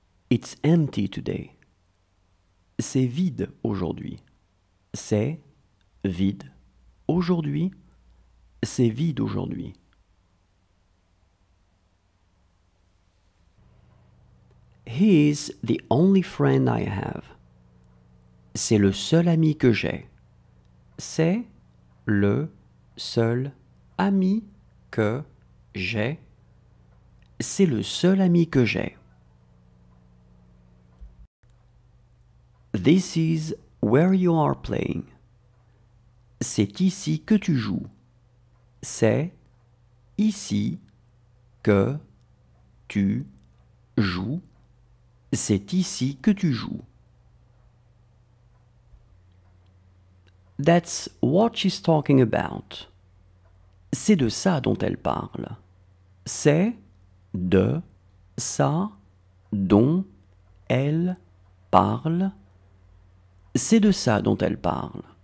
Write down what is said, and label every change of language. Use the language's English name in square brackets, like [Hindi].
[English] It's empty today. [French] C'est vide aujourd'hui. C'est vide. Aujourd'hui, c'est vide aujourd'hui. [English] He is the only friend I have. [French] C'est le seul ami que j'ai. C'est le seul ami que j'ai. C'est le seul ami que j'ai. [English] This is where you are playing. [French] C'est ici que tu joues. C'est ici que tu joues. C'est ici que tu joues. [English] That's what she's talking about. [French] C'est de ça dont elle parle. C'est de ça dont elle parle. C'est de ça dont elle parle.